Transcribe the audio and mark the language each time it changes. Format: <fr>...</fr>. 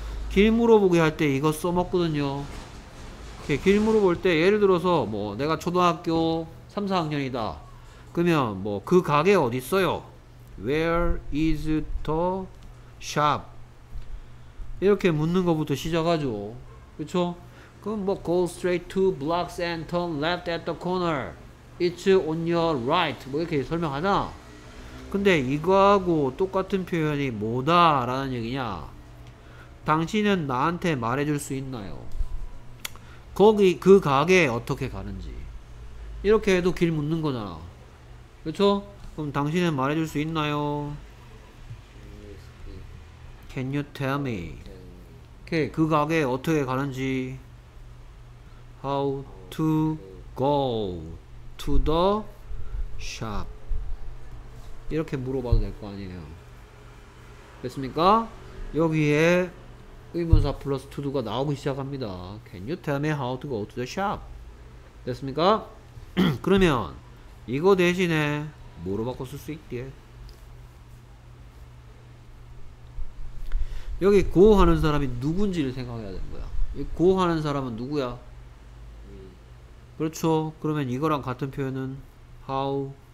<ko>길 물어보기 할 때 이거 써먹거든요. 이렇게 길 물어볼 때 예를 들어서 뭐 내가 초등학교 3, 4학년이다. 그러면 뭐 그 가게 어디 있어요?</ko> <en>Where is the shop?</en> <ko>이렇게 묻는 것부터 시작하죠. 그쵸? 그럼 뭐</ko> <en>go straight two blocks and turn left at the corner. It's on your right.</en> <ko>뭐 이렇게 설명하잖아. 근데 이거하고 똑같은 표현이 뭐다 라는 얘기냐. 당신은 나한테 말해줄 수 있나요? 거기 그 가게에 어떻게 가는지. 이렇게 해도 길 묻는 거잖아. 그쵸? 그럼 당신은 말해줄 수 있나요?</ko> <en>Can you tell me?</en> <ko>오케이, 그 가게에 어떻게 가는지.</ko> <en>How to go to the shop?</en> <ko>이렇게 물어봐도 될 거 아니에요. 됐습니까? 여기에 의문사 플러스 to가 나오기 시작합니다.</ko> <en>Can you tell me how to go to the shop?</en> <ko>됐습니까? 그러면 이거 대신에 뭐로 바꿔 쓸 수 있게? 여기 go 하는 사람이 누군지를 생각해야 되는 거야. 이 go 하는 사람은 누구야? 그렇죠. 그러면 이거랑 같은 표현은 how?</ko>